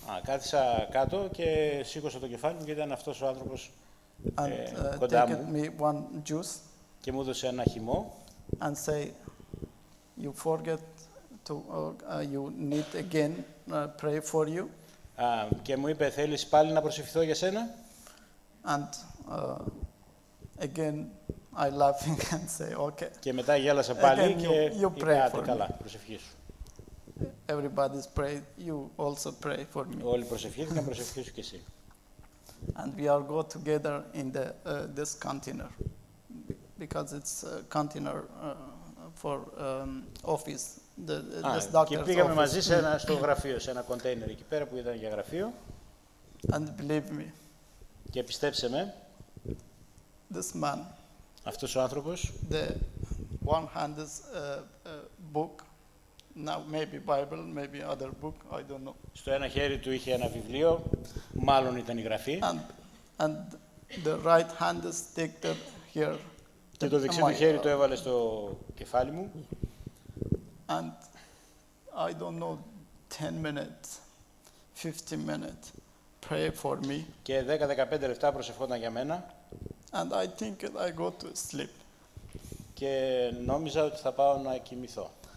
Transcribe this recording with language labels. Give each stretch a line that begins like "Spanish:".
Greek: Κάθισα κάτω και σήκωσα το κεφάλι μου και ήταν αυτός ο άνθρωπος κοντά μου.
English: Me one juice
Greek: και μου έδωσε ένα χυμό.
English: And say, you forget to you need again pray for you.
Greek: Και μου είπε, θέλεις πάλι να προσευχηθώ για σένα.
English: And again I laughing and say okay.
Greek: Και μετά γέλασα πάλι και είπα, καλά, προσευχήσου.
English: Everybody's prayed, you also pray for me.
Greek: Όλοι προσευχήθηκαν, προσευχήσου και εσύ.
English: And we are go together in the this container. Because it's a container for office, the doctor's office.
Greek: Και πήγαμε μαζί σε ένα, στο γραφείο, σε ένα container εκεί πέρα που ήταν για γραφείο.
English: And believe me.
Greek: Και πιστέψε με.
English: This man.
Greek: Αυτός ο άνθρωπος.
English: The one-handed book. Now maybe Bible, maybe other book, I don't know.
Greek: Στο ένα χέρι του είχε ένα βιβλίο, μάλλον ήταν η γραφή.
English: And the right hand is taken here.
Greek: Και το δεξί του χέρι το έβαλε στο κεφάλι μου.
English: And I don't know, 10 minutes, 15 minutes, pray for me.
Greek: Και 10-15 λεπτά προσευχόταν για μένα.
English: And I think that I go to sleep.
Greek: Και νόμιζα ότι θα πάω να κοιμηθώ.